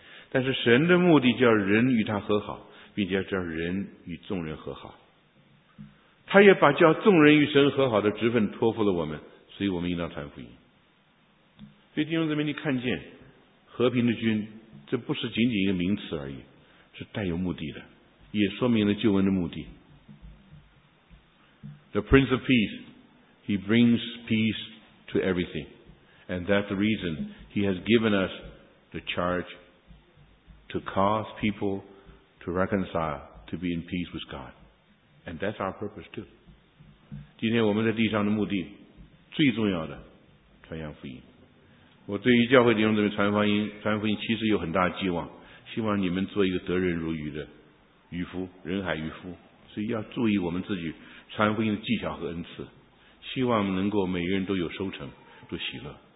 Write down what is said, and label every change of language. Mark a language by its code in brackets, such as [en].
[zh] 但是神的目的叫人与他和好，并且叫人与众人和好，他也把叫众人与神和好的职分托付了我们，所以我们应当传福音。所以弟兄姊妹，你看见和平的君，这不是仅仅一个名词而已，是带有目的的，也说明了救恩的目的。 [en] The Prince of Peace, He brings peace to everything, and that's the reason He has given us the charge to cause people to reconcile, to be in peace with God. And that's our purpose too. [zh] 今天我们在地上的目的最重要的传扬福音。我对于教会弟兄姊妹传福音其实有很大的寄望，希望你们做一个得人如鱼的渔夫，人海渔夫，所以要注意我们自己传福音的技巧和恩赐，希望能够每个人都有收成，都喜乐。